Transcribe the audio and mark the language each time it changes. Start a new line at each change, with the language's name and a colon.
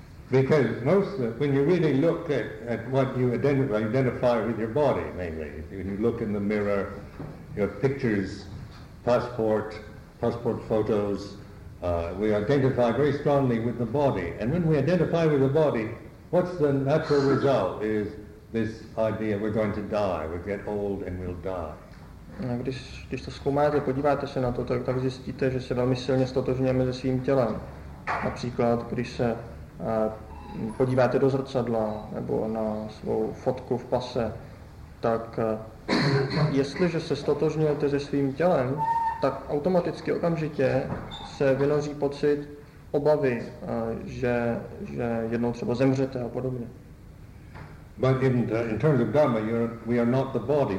English: Because most of, when you really look at what you identify with your body, mainly, when you look in the mirror, your pictures, passport photos, we identify very strongly with the body. And when we identify with the body, what's the natural result is this idea we're going to die, we'll get old and we'll die.
Czech: Když to zkoumáte, podíváte se na to, tak zjistíte, že se velmi silně stotožňujeme se svým tělem. Například, když se podíváte do zrcadla nebo na svou fotku v pase, tak jestliže se stotožňujete se svým tělem, tak automaticky okamžitě se vynoří pocit obavy, že jednou třeba zemřete a podobně.
English: But in terms of Dhamma, we are not the body.